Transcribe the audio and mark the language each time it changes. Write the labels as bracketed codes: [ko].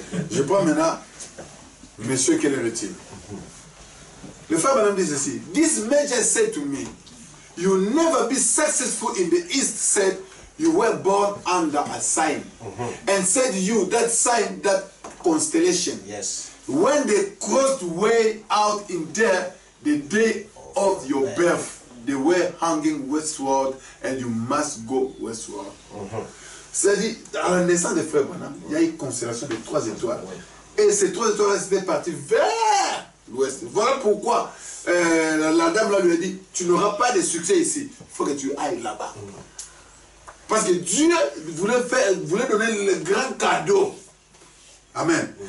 [fr] Je prends maintenant monsieur quel est le type. Le frère Madame dit ceci. [en] This major said to me, you never be successful in the East, said you were born under a sign. And said you, that sign, that constellation. Yes. When they crossed way out in there, the day of your birth, they were hanging westward, and you must go westward. [fr] C'est-à-dire, à la naissance des frères Branham, il y a une constellation de trois étoiles. Et ces trois étoiles étaient parties vers l'ouest. Voilà pourquoi la dame là lui a dit, tu n'auras pas de succès ici, il faut que tu ailles là-bas. Parce que Dieu voulait donner le grand cadeau. Amen.